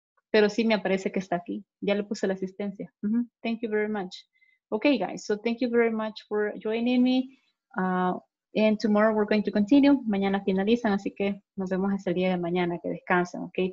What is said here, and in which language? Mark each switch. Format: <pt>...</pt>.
<es>Pero sí me aparece que está aquí, ya le puse la asistencia.</es> <en>Mm-hmm. Thank you very much. Ok guys, so thank you very much for joining me. And tomorrow we're going to continue.</en> <es>Mañana finalizan, así que nos vemos hasta el día de mañana, que descansen, ok.</es>